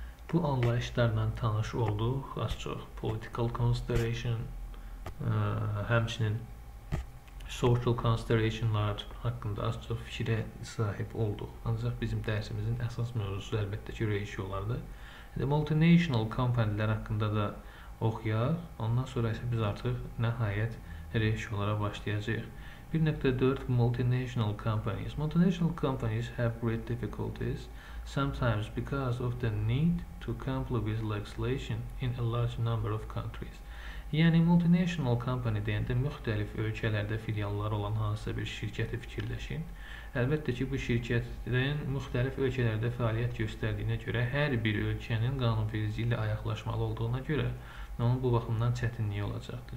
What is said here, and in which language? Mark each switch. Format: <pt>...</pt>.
<az>Bu anlayışlarla tanış olduq, az çox political consideration, həmçinin social considerationlar haqqında az çox fikrə sahib olduq. Ancaq bizim dərsimizin əsas mövzusu əlbəttə ki, ratio-lardır.</az> <en>The multinational companies</en> <az>haqqında da oxuyaq. Ondan sonra isə biz artıq nəhayət ratio-lara başlayacağıq.</az> <en>1.4 multinational companies. Multinational companies have great difficulties sometimes because of the need to comply with legislation in a large number of countries.</en> <az>Yəni multinational company deyəndə müxtəlif ölkələrdə filialları olan hansısa bir şirkəti fikirləşin. Əlbəttə ki, bu şirkətlərin müxtəlif ölkələrdə fəaliyyət göstərdiyinə görə, hər bir ölkənin qanunverici ilə ayaqlaşmalı olduğuna görə onun bu baxımdan çətinliyi olacaqdır.</az>